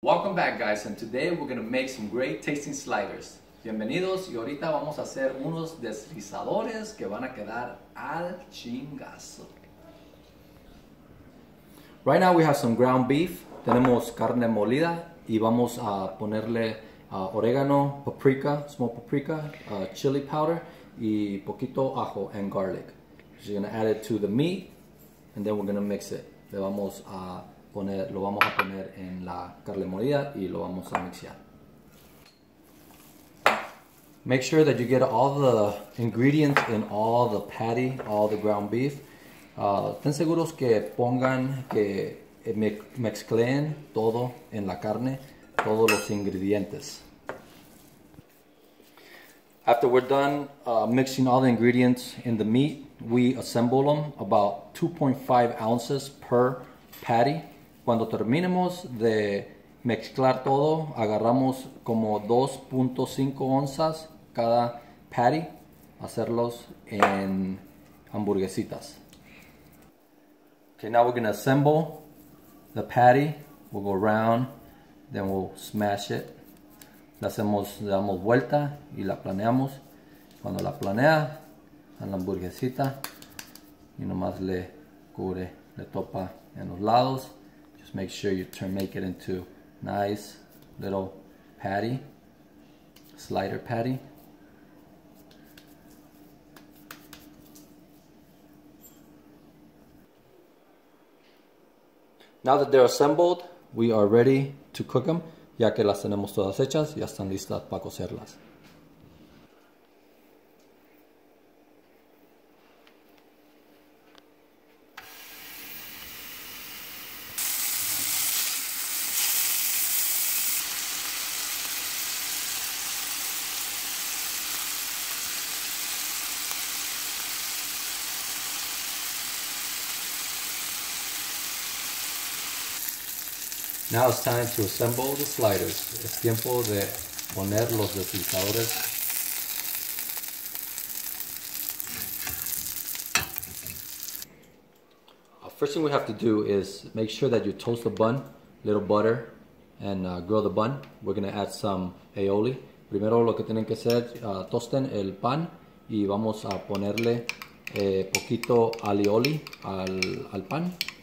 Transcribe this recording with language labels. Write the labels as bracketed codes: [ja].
[en] Welcome back, guys, and today we're going to make some great tasting sliders. [es] Bienvenidos, y ahorita vamos a hacer unos deslizadores que van a quedar al chingazo. [en] Right now we have some ground beef, [es] tenemos carne molida, y vamos a ponerle orégano, paprika, [en] small paprika, [es] chili powder, y poquito ajo [en] and garlic. She's going to add it to the meat, and then we're going to mix it. [es] Le vamos a poner, lo vamos a poner en la carne molida y lo vamos a mixear. [en] Make sure that you get all the ingredients in all the patty, all the ground beef. [es] Ten seguros que pongan, que mezclen todo en la carne, todos los ingredientes. [en] After we're done mixing all the ingredients in the meat, we assemble them about 2.5 ounces per patty. [es] Cuando terminemos de mezclar todo, agarramos como 2.5 onzas cada patty, hacerlos en hamburguesitas. [en] Okay, now we're gonna assemble the patty. We'll go around, then we'll smash it. [es] Le damos vuelta y la planeamos. Cuando la planea, a la hamburguesita, y nomás le cubre, le topa en los lados. [en] Make sure you make it into nice little patty, slider patty. Now that they're assembled, we are ready to cook them. [es] Ya que las tenemos todas hechas, ya están listas para cocerlas. [en] Now it's time to assemble the sliders. [es] Es tiempo de poner los deslizadores. [en] First thing we have to do is make sure that you toast the bun, little butter, and grill the bun. We're going to add some aioli. [es] Primero lo que tienen que hacer, tosten el pan y vamos a ponerle poquito aioli al pan.